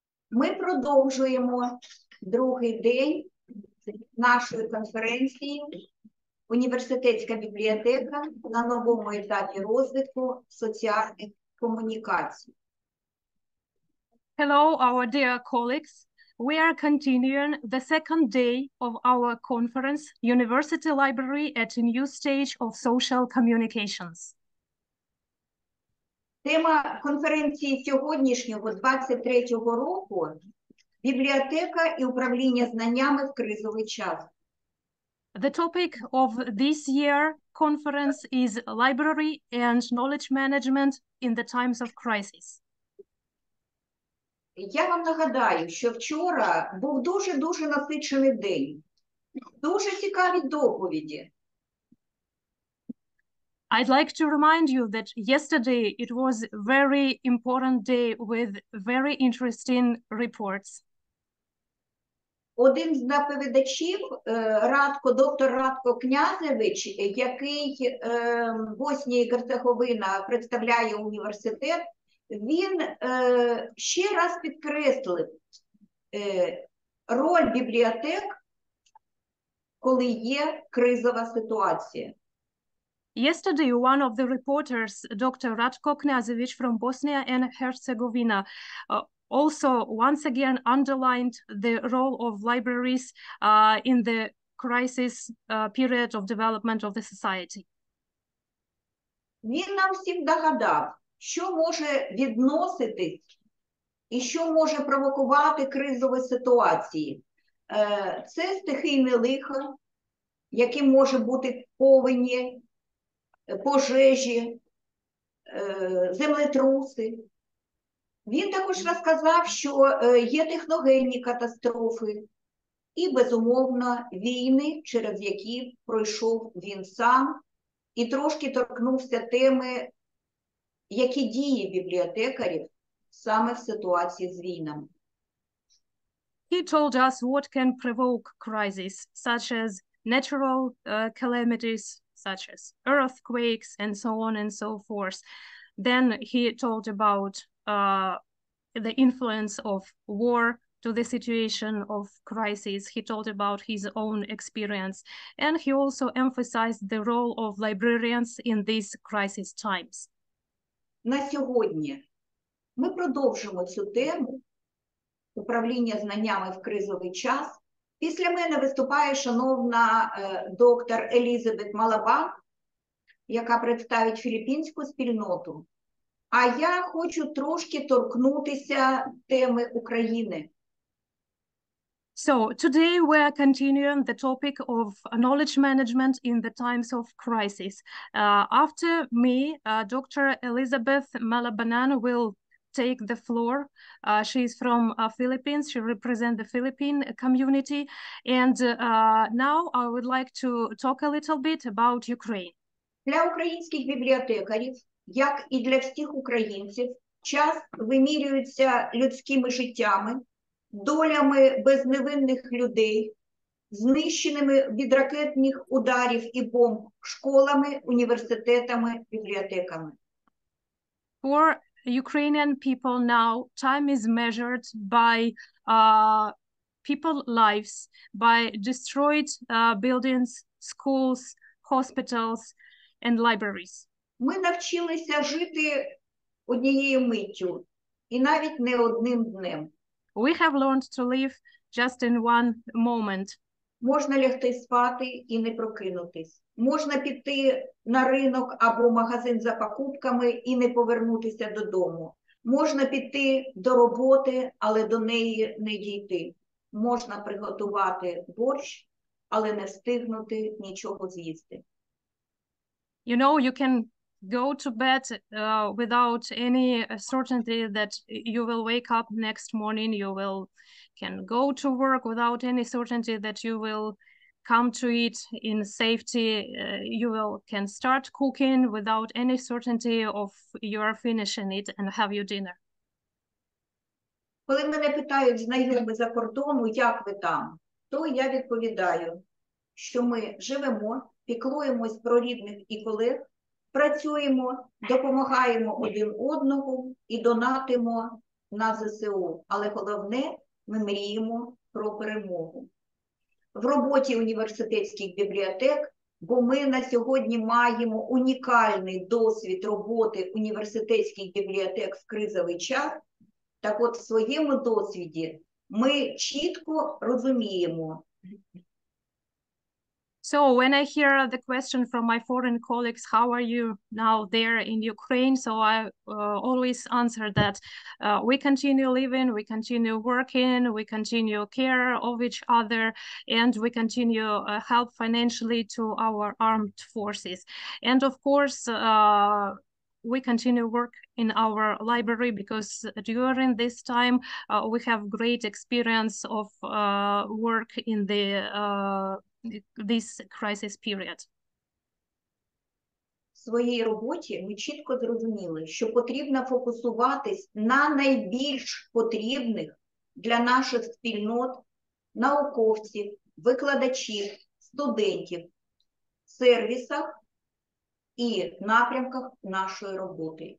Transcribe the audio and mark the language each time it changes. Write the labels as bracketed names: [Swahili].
[Ukrainian] Ми продовжуємо другий день нашої конференції «Університетська бібліотека на новому етапі розвитку соціальних комунікацій». [English] Hello, our dear colleagues. We are continuing the second day of our conference «University Library at a New Stage of Social Communications». [Ukrainian] Тема конференції сьогоднішнього, 23-го року – бібліотека і управління знаннями в кризовий час. [English] The topic of this year conference is library and knowledge management in the times of crisis. [Ukrainian] Я вам нагадаю, що вчора був дуже-дуже насичений день. Дуже цікаві доповіді. [English] I'd like to remind you that yesterday it was a very important day with very interesting reports. [Ukrainian] Один з доповідачів, Радко, доктор Радко Князевич, який Боснія і Герцеговина представляє університет, він ще раз підкреслив роль бібліотек, коли є кризова ситуація. [English] Yesterday, one of the reporters, Dr. Radko Knjazević from Bosnia and Herzegovina, also once again underlined the role of libraries in the crisis period of development of the society. [Ukrainian] Він нам всім догадав, що може відноситись і що може провокувати кризові ситуації. Це стихійне лихо, яким може бути повені, пожежі, землетруси. Він також розказав, що є техногенні катастрофи і, безумовно, війни, через які пройшов він сам, і трошки торкнувся теми, які дії бібліотекарів саме в ситуації з війнами. [English] He told us what can provoke crises, such as natural calamities, such as earthquakes and so on and so forth. Then he talked about the influence of war to the situation of crisis. He talked about his own experience. And he also emphasized the role of librarians in these crisis times. [Ukrainian] На сьогодні ми продовжимо цю тему управління знаннями в кризовий час. Після мене виступає шановна доктор Елізабет Малаба, яка представить філіппінську спільноту. А я хочу трошки торкнутися теми України. [English] So, today we are continuing the topic of knowledge management in the times of crisis. After me, Dr. Elizabeth Malabanan will take the floor. She is from Philippines. She represents the Philippine community. And now I would like to talk a little bit about Ukraine. [Ukrainian] Для українських бібліотекарів, як і для всіх українців, час вимірюється людськими життями, долями безневинних людей, знищеними від ракетних ударів і бомб школами, університетами, бібліотеками. [English] For Ukrainian people now, time is measured by people lives, by destroyed buildings, schools, hospitals and libraries. [Ukrainian] Ми навчилися жити однією миттю і навіть не одним днем. [English] We have learned to live just in one moment. [Ukrainian] Можна лягти спати і не прокинутись. Можна піти на ринок або магазин за покупками і не повернутися додому. Можна піти до роботи, але до неї не дійти. Можна приготувати борщ, але не встигнути нічого з'їсти. [English] You know, you can go to bed without any certainty that you will wake up next morning. You will can go to work without any certainty that you will come to eat in safety. You will can start cooking without any certainty of you are finishing it and have your dinner. [Ukrainian] Коли мене питають знайомі за кордону, як ви там, то я відповідаю, що ми живемо, піклуємось про рідних і колег, працюємо, допомагаємо один одному і донатимо на ЗСУ. Але головне, ми мріємо про перемогу. В роботі університетських бібліотек, бо ми на сьогодні маємо унікальний досвід роботи університетських бібліотек в кризовий час, так от в своєму досвіді ми чітко розуміємо. [English] So when I hear the question from my foreign colleagues, how are you now there in Ukraine? So I always answer that we continue living, we continue working, we continue care of each other, and we continue help financially to our armed forces. And of course, we continue work in our library because during this time we have great experience of work in the this crisis period. [Ukrainian] В своїй роботі ми чітко зрозуміли, що потрібно фокусуватись на найбільш потрібних для наших спільнот науковців, викладачів, студентів, сервісах і напрямках нашої роботи.